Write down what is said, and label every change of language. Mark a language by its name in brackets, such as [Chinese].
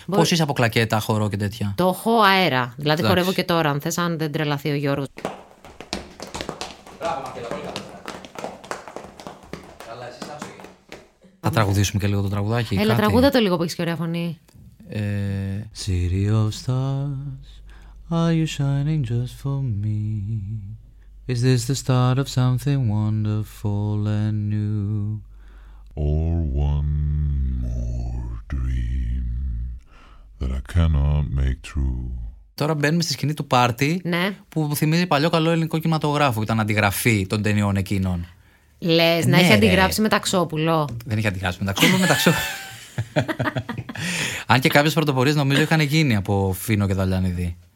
[Greek] Πώς είσαι από κλακέτα, χορό και τέτοια. Το έχω αέρα. Δηλαδή χορεύω και τώρα, αν θες, αν δεν τρελαθεί ο Γιώργος. Θα τραγουδήσουμε και λίγο το τραγουδάκι. Έλα, κάτι. Τραγούδα το λίγο που έχεις και ωραία φωνή. [English] Serial stars, are you shining just for me? Is this the start of something wonderful and new? Or one more dream that I cannot make true? [Greek] Τώρα μπαίνουμε στη σκηνή του πάρτι, ναι, που θυμίζει παλιό καλό ελληνικό κινηματογράφο. Ήταν αντιγραφή των ταινιών εκείνων. Λες, να έχει αντιγράψει με Ταξόπουλο. Δεν έχει αντιγράψει με Ταξόπουλο, με Ταξόπουλο. Αν και κάποιες πρωτοπορίες νομίζω είχαν γίνει από Φίνο και Δαλιανίδη.